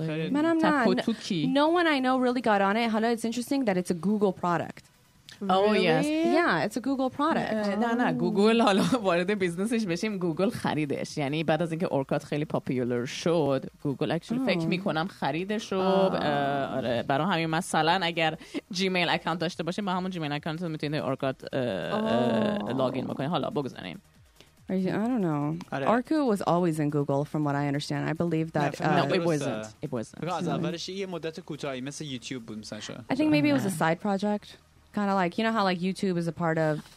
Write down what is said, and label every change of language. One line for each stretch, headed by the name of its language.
English: No one I know really got on it. Hala, it's interesting that it's a Google product. Really? Oh, yes. Yeah, it's a Google product. No.
Persian: Google, حالا وارد بیزنسش بشیم. Google خریدش. یعنی بعد از اینکه Orkut خیلی پاپیولر شد, Google actually فکر میکنم خریدش رو. آره. برای همین مثلا اگر Gmail اکانت داشته باشیم, با همون Gmail اکانت میتونید Orkut لاگین بکنید. حالا بگذاریم.
English: I don't know. Orku was always in Google, from what I understand. I believe that... No, it wasn't. I think maybe it was a side project. Kind of like, you know how like YouTube is a part of...